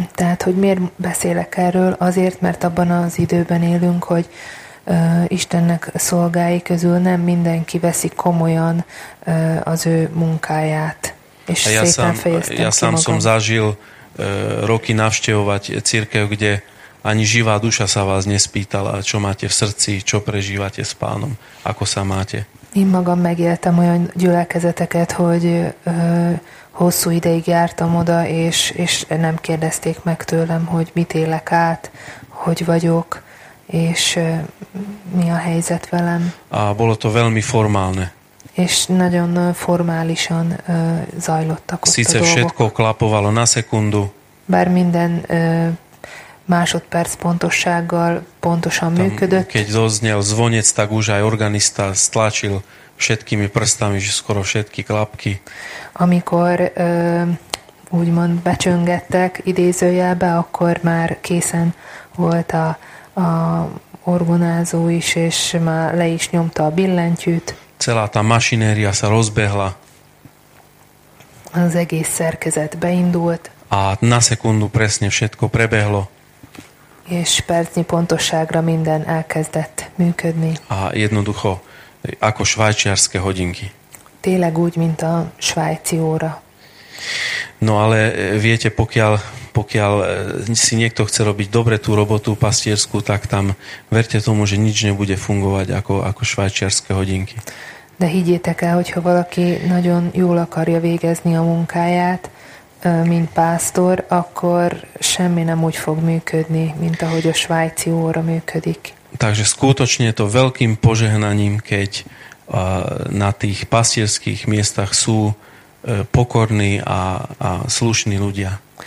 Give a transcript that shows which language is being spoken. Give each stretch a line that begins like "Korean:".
Hungarian: Tehát, hogy miért beszélek erről? Azért, mert abban az időben élünk, hogy Istennek szolgái közül nem mindenki veszi komolyan az ő munkáját. És ja szépen sám, fejeztem ja ki sám magam.
Slovak: Som zažil roky navštevovať cirkev, kde ani živá duša sa vás nespýtala, čo máte v srdci, čo prežívate s Pánom, ako sa máte.
Hungarian: Én magam megéltem olyan gyülekezeteket, hogy hosszú ideig jártam oda, és nem kérdezték meg tőlem, hogy mit élek át, hogy vagyok, és mi a helyzet velem.
Slovak: A bolo to veľmi formálne.
Hungarian: És nagyon formálisan zajlottak ott
Slovak: Sice
Hungarian: a dolgok.
Slovak: Všetko klapovalo na sekundu.
Hungarian: Bár minden másodperc pontossággal pontosan működött.
Slovak: Keď zoznel zvonec, tak už aj organista stlačil všetkými prstami, že skoro všetky klapky.
Hungarian: Amikor úgymond becsöngettek idézőjelbe, akkor már készen volt a orgonázó is, és már le is nyomta a billentyűt.
Slovak: Celá tá mašinéria sa rozbehla.
Hungarian: Az egész szerkezet beindult.
Slovak: A na sekundu presne všetko prebehlo.
Hungarian: És percnyi pontosságra minden elkezdett működni.
Slovak: A jednoducho, ako švajčiarske hodinky.
Hungarian: Tényleg úgy, mint a svájci óra.
Slovak: No ale viete, pokiaľ si niekto chce robiť dobre tú robotu pastiersku, tak tam verte tomu, že nič nebude fungovať ako švajčiarske hodinky.
Hungarian: De higgyétek el, hogyha valaki nagyon jól akarja végezni a munkáját, mint pásztor, akkor semmi nem úgy fog működni, mint ahogy a svájci óra működik.
Slovak: Takže skutočne je to veľkým požehnaním, keď na tých pastierských miestach sú pokorní a slušní ľudia.